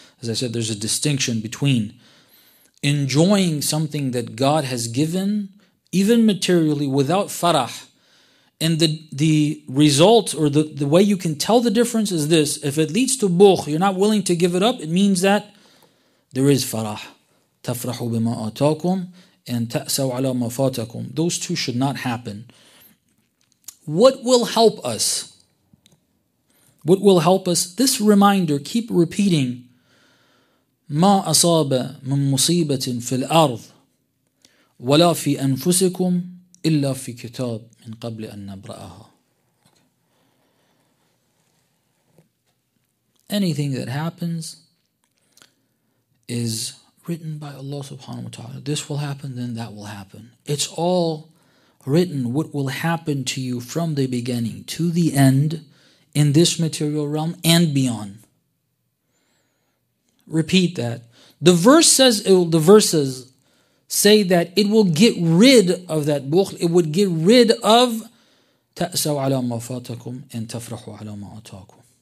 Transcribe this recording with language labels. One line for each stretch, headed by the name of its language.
English: As I said, there's a distinction between enjoying something that God has given, even materially, without farah. And the result, or the way you can tell the difference is this. If it leads to bukhl, you're not willing to give it up, it means that there is farah.
Arabic: تَفْرَحُ بِمَا أَتَاكُمْ and تَأْسَوْ عَلَى مَا فَاتَكُمْ.
English: Those two should not happen. What will help us? What will help us? This reminder, keep repeating.
Arabic: مَا أَصَابَ مِن مُصِيبَةٍ فِي الْأَرْضِ وَلَا فِي أَنفُسِكُمْ إِلَّا فِي كِتَابٍ مِن قَبْلِ أَن نَبْرَأَهَا.
English: Anything that happens is written by Allah subhanahu wa ta'ala. This will happen, then that will happen. It's all written what will happen to you from the beginning to the end in this material realm and beyond. Repeat that. The verses say that it will get rid of that bukhl. It would get rid of
Arabic: تَأْسَوْ عَلَى مَا فَاتَكُمْ
English: and
Arabic: تَفْرَحُ عَلَى مَا أَتَاكُمْ.